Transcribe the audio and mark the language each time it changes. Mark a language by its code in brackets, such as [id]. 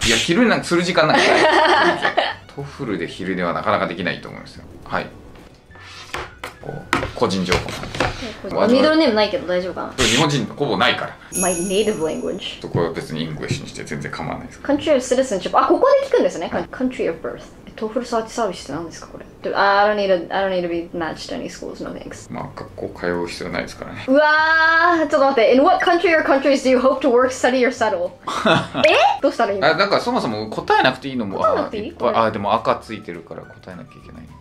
[ja] いや昼寝なんかする時間ないからトフルで昼寝はなかなかできないと思いますよ。はい、こう個人情報なんで。ミドルネームないけど大丈夫かな。日本人ほぼないから。 [en] My native language。 [ja] そこは別にイングリッシュにして全然構わないです。 Country of citizenship。あ、ここで聞くんですね、はい、 Country of birth。トフルサーチサービスって何ですかこれ。 [en] I don't need to be matched any schools, no thanks。 [ja] まあ学校通う必要ないですからね。 [en] うわー、ちょっと待って。 In what country or countries do you hope to work, study or settle? え、どうしたらいいの。 [ja] あ、なんかそもそも答えなくていいのも。答えなくていい。あ、でも赤ついてるから答えなきゃいけない。